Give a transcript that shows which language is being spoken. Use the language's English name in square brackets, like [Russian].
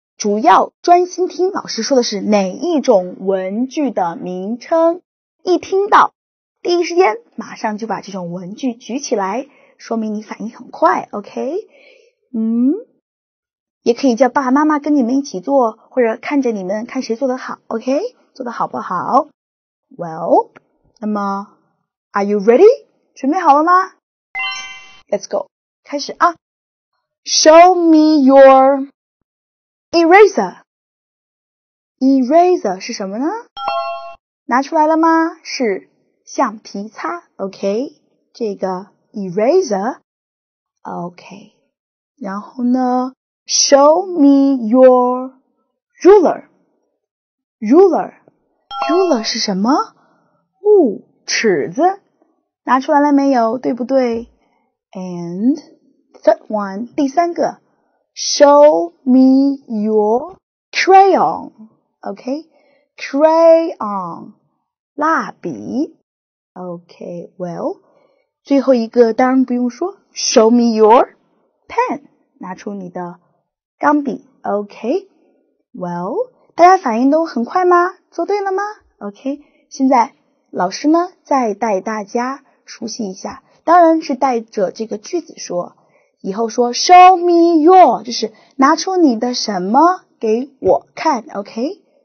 [Chinese] 主要专心听老师说的是哪一种文具的名称。一听到，第一时间马上就把这种文具举起来，说明你反应很快 ,OK? 嗯，也可以叫爸爸妈妈跟你们一起做，或者看着你们看谁做得好 ,OK? 做得好不好 ?Well, 那么 , [English] Are you ready? [Chinese] 准备好了吗 ? [English] Let's go, [Chinese] 开始啊。 [English] Show me your eraser. [Chinese] Eraser 是什么呢？拿出来了吗？是橡皮擦。 [English] OK, [Chinese] 这个 [English] eraser. OK, [Chinese] 然后呢 [English] ,show me your ruler. [Chinese] Ruler. Ruler 是什么？哦，尺子。拿出来了没有？对不对 [English] ?And,third one, [Chinese] 第三个 [English] ,show me your crayon, OK? [Chinese] Crayon, 蜡笔 ,OK, well, 最后一个当然不用说 , [English] show me your pen, [Chinese] 拿出你的钢笔 ,OK? Well, 大家反应都很快吗？做对了吗 ?OK, 现在老师呢再带大家熟悉一下，当然是带着这个句子说，以后说 [English] show me your, [Chinese] 就是拿出你的什么给我看 ,OK?